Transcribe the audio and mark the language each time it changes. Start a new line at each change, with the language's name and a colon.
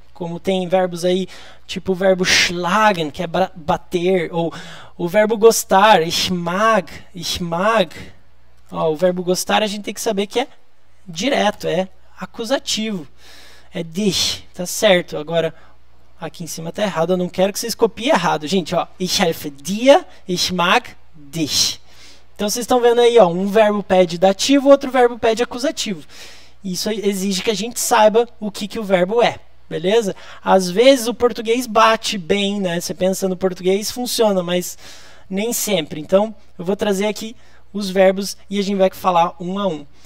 Portuguese: Como tem verbos aí, tipo o verbo schlagen, que é bater, ou o verbo gostar,
German: ich mag, ich mag.
Portuguese: Ó, o verbo gostar a gente tem que saber que é direto, é acusativo. É dich, tá certo. Agora, aqui em cima tá errado, eu não quero que vocês copiem errado. Gente, ó,
German: ich helfe dir, ich mag dich.
Portuguese: Então vocês estão vendo aí, ó, um verbo pede dativo, outro verbo pede acusativo. Isso exige que a gente saiba o que que o verbo é. Beleza? Às vezes o português bate bem, né? Você pensa no português, funciona, mas nem sempre. Então, eu vou trazer aqui os verbos e a gente vai falar um a um.